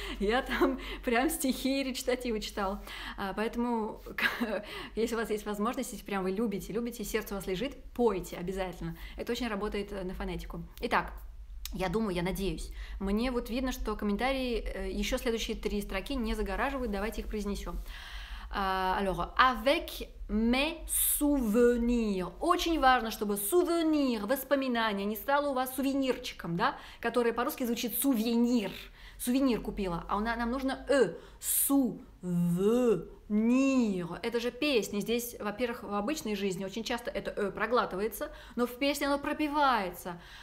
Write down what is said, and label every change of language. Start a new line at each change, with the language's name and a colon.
Russian: Я там прям стихи и речитативы читала. Поэтому, если у вас есть возможность, если прям вы любите, сердце у вас лежит, пойте обязательно. Это очень работает на фонетику. Итак, я думаю, я надеюсь. Мне вот видно, что комментарии еще следующие три строки не загораживают. Давайте их произнесем.
French: Alors, avec mes souvenirs.
Russian: Очень важно, чтобы souvenir, воспоминание, не стало у вас сувенирчиком, да? Которое по-русски звучит сувенир. Сувенир купила. А нам нужно e. Souvenir. Это же песня. Здесь, во-первых, в обычной жизни очень часто это e проглатывается, но в песне оно пропевается.